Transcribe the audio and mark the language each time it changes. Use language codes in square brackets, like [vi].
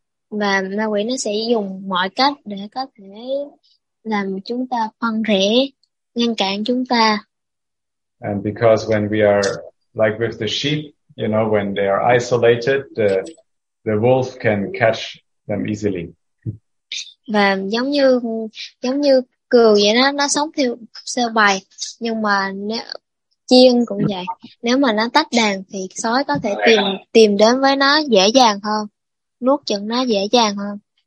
[vi] Và ma quỷ nó sẽ dùng mọi cách để có thể làm chúng ta phân rẽ, ngăn cản chúng ta. [en] And because when we are like with the sheep, you know, when they are isolated, the wolf can catch them easily. [vi] Và giống như cừu vậy đó, nó sống theo sơ bài, nhưng mà nếu chiên cũng vậy, nếu mà nó tách đàn thì sói có thể tìm đến với nó dễ dàng hơn, nuốt chửng nó dễ dàng hơn.